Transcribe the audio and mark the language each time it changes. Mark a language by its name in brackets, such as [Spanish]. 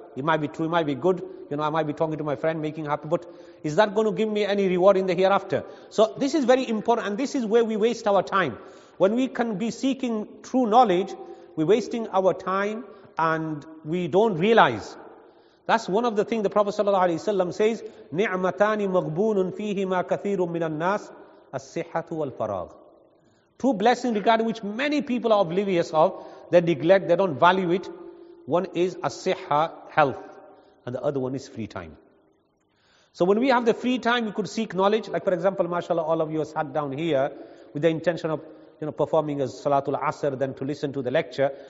[English] It might be true, it might be good. You know, I might be talking to my friend, making happy, but is that going to give me any reward in the hereafter? So this is very important, and this is where we waste our time. When we can be seeking true knowledge, we're wasting our time and we don't realize. That's one of the things the Prophet ﷺ says, [Arabic] نِعْمَتَانِ مَغْبُونٌ فِيهِمَا كَثِيرٌ مِنَ النَّاسِ السِّحَّةُ وَالْفَرَاغُ. [English] Two blessings regarding which many people are oblivious of, they neglect, they don't value it. One is as-sihha, health, and the other one is free time. So when we have the free time, we could seek knowledge. Like for example, mashallah, all of you are sat down here with the intention of, you know, performing a Salatul Asr, then to listen to the lecture.